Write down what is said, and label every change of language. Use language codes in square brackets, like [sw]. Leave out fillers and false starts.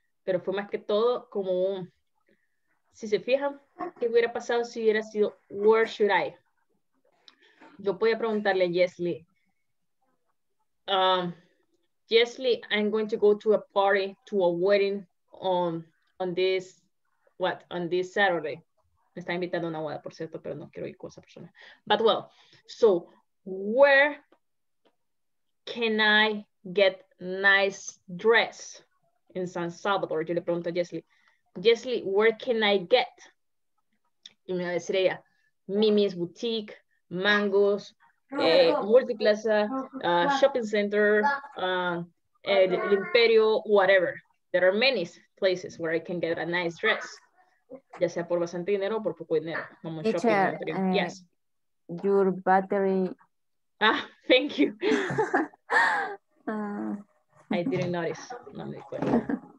[es] Pero fue más que todo como un, si se fijan, ¿qué hubiera pasado si hubiera sido [en] where should I? [es] Yo podía preguntarle a Jessly. [en] Jessly, I'm going to go to a party, to a wedding on this Saturday. [es] Me está invitando a una boda, por cierto, pero no quiero ir con esa persona. [en] But well, so where can I get nice dress in San Salvador? [es] Yo le pregunto a Jessly. Jessly, [en] where can I get? [es] Y me va a decir ella, Mimi's Boutique, Mangos, Multiplaza, Shopping Center, El Imperio, whatever. [en] There are many places where I can get a nice dress. [es] Ya sea por bastante dinero o por poco dinero. Como shopping center. Yes. [en] Your battery. Ah, thank you. I didn't notice. [es] No me di cuenta.